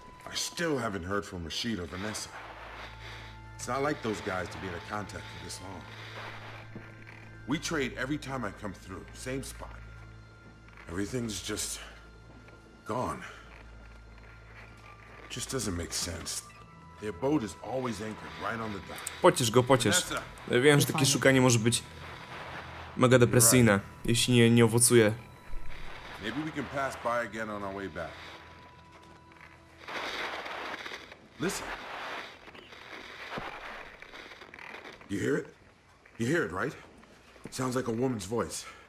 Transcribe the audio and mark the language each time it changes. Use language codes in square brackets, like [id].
[en] I still haven't heard from Rashid or Vanessa. It's not like those guys to be in a contact for this long. We trade every time I come through, same spot. Everything's just gone. Just doesn't make sense. Their boat is always anchored right on the dock. [pl] Pocisz go, pocisz. Ja wiem, że takie szukanie może być mega depresyjne, jeśli nie owocuje. [en] Maybe we can pass by again on our way back. Listen. You hear it? You hear it, right? Sounds like a woman's voice.